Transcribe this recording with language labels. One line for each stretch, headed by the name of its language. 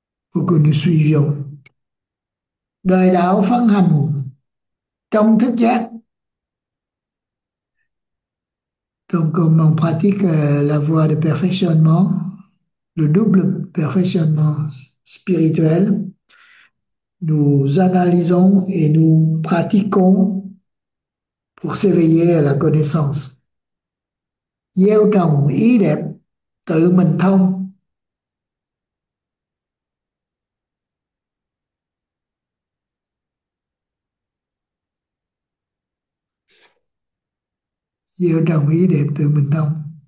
French: Pour que nous suivions
Vietnamese: đời đạo phân hành trong thức giác.
French: Donc, comme on pratique la voie de perfectionnement, le double perfectionnement spirituel, nous analysons et nous pratiquons pour s'éveiller à la connaissance.
Vietnamese: Gieo trồng ý đẹp, tự mình thông. Gieo trồng ý đẹp tự mình thông.